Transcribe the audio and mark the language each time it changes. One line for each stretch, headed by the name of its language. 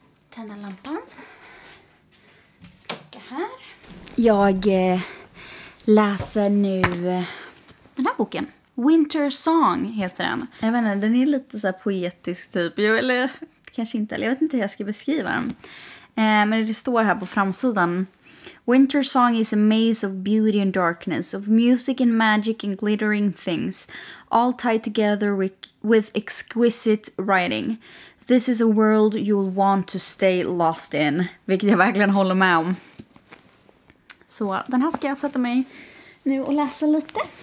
Swedish: Tända lampan. Släcka här. Jag läser nu den här boken. Winter Song heter den. Jag vet inte, den är lite så här poetisk typ. Eller kanske inte. Eller jag vet inte hur jag ska beskriva den. Men det står här på framsidan.
English: Winter Song is a maze of beauty and darkness, of music and magic and glittering things, all tied together with exquisite writing. This is a world you'll want to stay lost in.
Swedish: Vilket jag verkligen håller med om. Så den här ska jag sätta mig nu och läsa lite.